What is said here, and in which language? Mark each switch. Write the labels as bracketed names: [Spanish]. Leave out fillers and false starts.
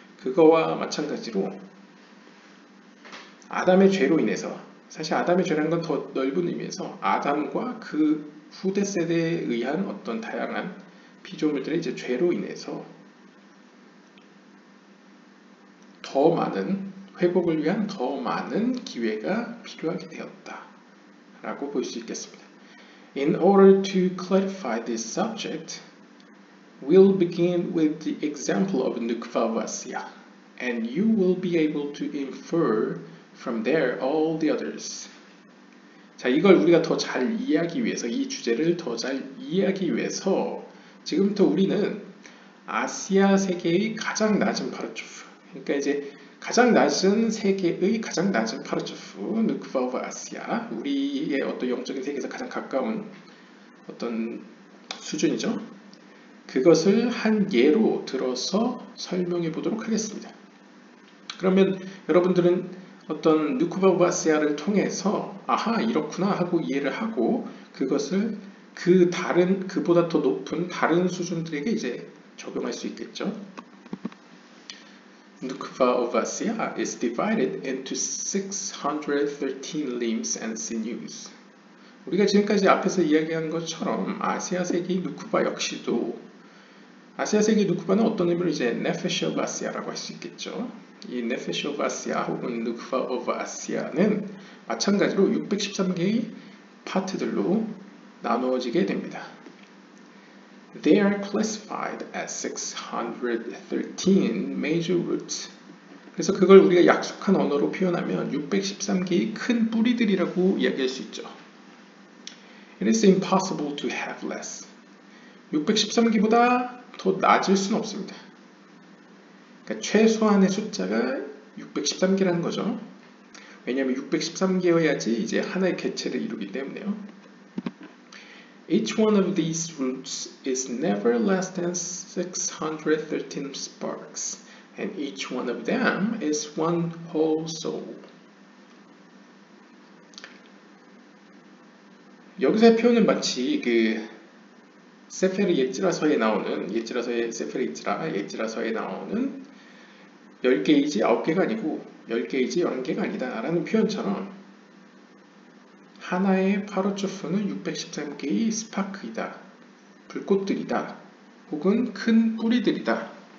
[Korean] 그거와 마찬가지로 아담의 죄로 인해서, 사실 아담의 죄라는 건 더 넓은 의미에서 아담과 그 후대 세대에 의한 어떤 다양한 피조물들의 이제 죄로 인해서 더 많은 회복을 위한 더 많은 기회가 필요하게 되었다 라고 볼 수 있겠습니다. [English] In order to clarify this subject, we'll begin with the example of Nukva Vasya, and you will be able to infer from there all the others. [Korean] 자, 이걸 우리가 더 잘 이해하기 위해서, 이 주제를 더 잘 이해하기 위해서 지금부터 우리는 아시아 세계의 가장 낮은 파르초프, 그러니까 이제 가장 낮은 세계의 가장 낮은 파르초프, 누크바 오브 아시아, 우리의 어떤 영적인 세계에서 가장 가까운 어떤 수준이죠. 그것을 한 예로 들어서 설명해 보도록 하겠습니다. 그러면 여러분들은 어떤 누크바 오브 아시아를 통해서 아하 이렇구나 하고 이해를 하고, 그것을 그 다른, 그보다 더 높은 다른 수준들에게 이제 적용할 수 있겠죠. [English] Nukva of Asya is divided into 613 limbs and sinews. [Korean] 우리가 지금까지 앞에서 이야기한 것처럼 아시아 세계 누크바 역시도, 아시아 세계 누크바는 어떤 의미로 이제 Nefesh of Asya라고 할 수 있겠죠. 이 Nefesh of Asya 혹은 Nukva of Asya는 마찬가지로 613개의 파트들로 나누어지게 됩니다. [English] They are classified as 613 major roots. [Korean] 그래서 그걸 우리가 약속한 언어로 표현하면 613개의 큰 뿌리들이라고 이야기할 수 있죠. [English] It is impossible to have less. [Korean] 613개보다 더 낮을 수는 없습니다. 그러니까 최소한의 숫자가 613개라는 거죠. 왜냐하면 613개여야지 이제 하나의 개체를 이루기 때문에요. [English] Each one of these roots is never less than 613 sparks, and each one of them is one whole soul. [Korean] 여기서의 표현은 마치 그 세페르 예찌라서에 나오는, 예찌라서의 세페르 예찌라, 예찌라서에 나오는 10개이지 9개가 아니고 10개이지 11개가 아니다 라는 표현처럼 하나의 파르초프는 613개의 스파크이다, 불꽃들이다, 혹은 큰 뿌리들이다.